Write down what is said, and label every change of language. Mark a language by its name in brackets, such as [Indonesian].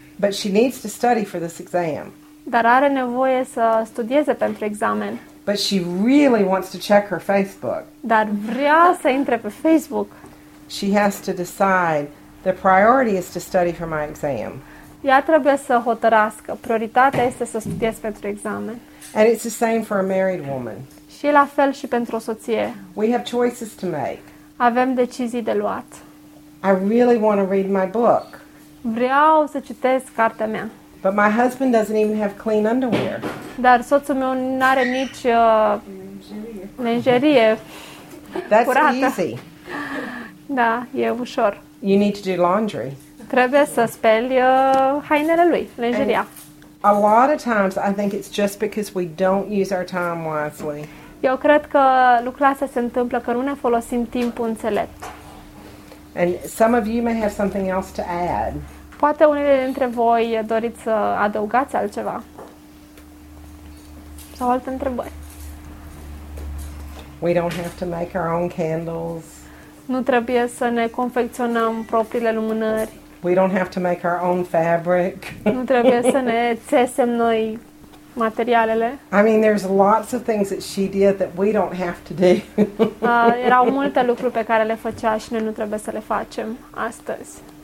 [English] But she needs to study for this exam. [Romanian] Dar are nevoie să studieze pentru examen. [English] But she really wants to check her Facebook. [Romanian] Dar vrea să intre pe Facebook. [English] She has to decide the priority is to study for my exam. [Romanian] Ea trebuie să hotărască. Prioritatea este să studiez pentru examen. [English] And it's the same for a married woman. [Romanian] Și la fel și pentru o soție. [English] We have choices to make. [Romanian] Avem decizii de luat. [English] I really want to read my book. [Romanian] Vreau să citesc cartea mea. [English] But my husband doesn't even have clean underwear. [Romanian] Dar soțul meu n-are nici lenjerie. [English] That's [Romanian] curată. [English] Easy. [Romanian] Da, e ușor. [English] You need to do laundry. [Romanian] Trebuie să speli hainele lui, lenjeria. [English] A lot of times I think it's just because we don't use our time wisely. [Romanian] Eu cred că lucrul ăsta se întâmplă că nu ne folosim timpul înțelept. [English] And some of you may have something else to add. [Romanian] Poate unele dintre voi doriți să adăugați altceva. Sau alte întrebări. [English] We don't have to make our own candles. [Romanian] Nu trebuie să ne confecționăm propriile lumânări. [English] We don't have to make our own fabric. [Romanian] Nu trebuie să ne țesem noi materialele. [English] I mean, there's lots of things that she did that we don't have to do. [Romanian] Erau multe lucruri pe care le făcea și noi nu trebuie să le facem astăzi.